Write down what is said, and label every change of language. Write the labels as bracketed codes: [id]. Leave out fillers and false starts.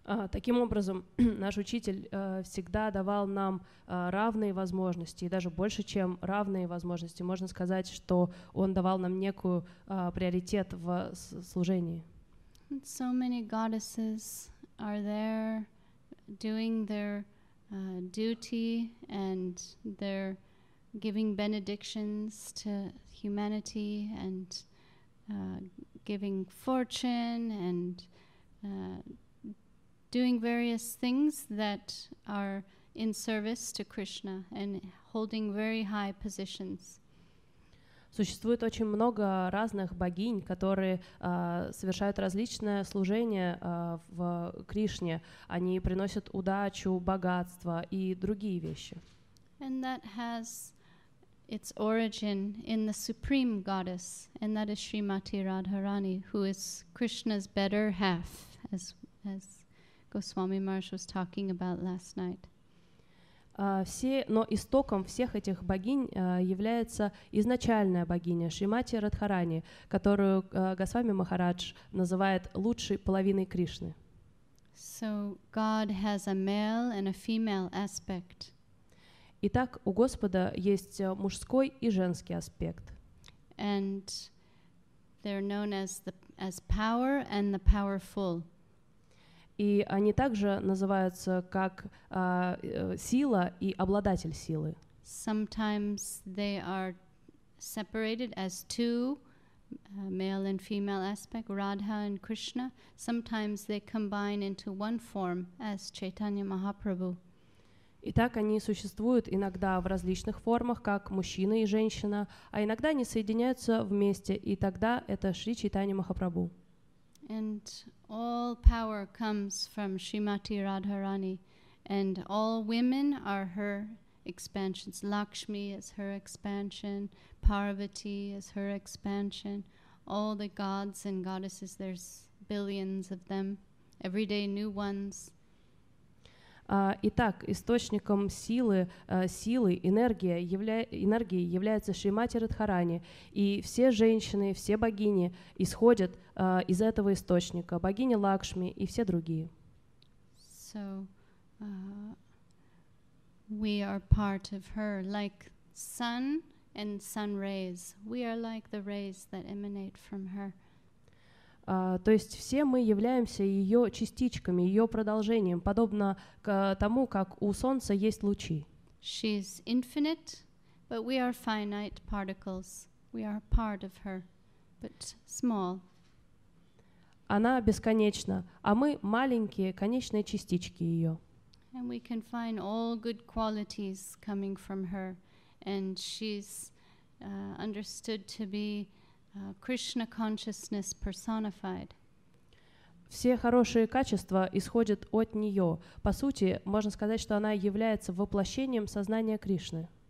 [ru] Таким образом, наш учитель всегда давал нам равные возможности, и даже больше, чем равные возможности. Можно сказать, что он давал нам некую приоритет в служении. [en] And so many goddesses are there doing their duty and their giving benedictions to humanity and giving fortune and doing various things that are in service to Krishna and holding very high positions. [ru] Существует очень много разных богинь, которые совершают различное служение в Кришне. Они приносят удачу, богатство и другие вещи. [en] And that has its origin in the supreme goddess, and that is Srimati Radharani, who is Krishna's better half, as Goswami Maharaj was talking about last night. [ru] Но истоком всех этих богинь является изначальная богиня Шримати Радхарани, которую Госвами Махарадж называет лучшей половиной Кришны. [en] So God has a male and a female aspect. [ru] Итак, у Господа есть мужской и женский аспект. [en] And they're known as power and the powerful. [ru] И они также называются как сила и обладатель силы. [en] Sometimes they are separated as two male and female aspect, Radha and Krishna, sometimes they combine into one form as Chaitanya Mahaprabhu. [ru] И так они существуют иногда в различных формах, как мужчина и женщина, а иногда они соединяются вместе, и тогда это Шри Чайтанья Махапрабху. [en] And all power comes from Shrimati Radharani, and all women are her expansions. Lakshmi is her expansion, Parvati is her expansion, all the gods and goddesses, there's billions of them, every day new ones. [ru] Итак, источником силы, силы, энергии является Шримати Радхарани. И все женщины, все богини исходят из этого источника, богини Лакшми и все другие. [en] So, we are part of her, like sun and sun rays. We are like the rays that emanate from her. [ru] То есть все мы являемся ее частичками, ее продолжением, подобно тому, как у солнца есть лучи. [en] She is infinite, but we are finite particles. We are part of her, but small. [ru] Она бесконечна, а мы маленькие конечные частички ее. [en] And we can find all good qualities coming from her, and she's understood to be Krishna consciousness personified. [ru] Все хорошие качества исходят от нее. По сути, можно сказать, что она является воплощением сознания Кришны.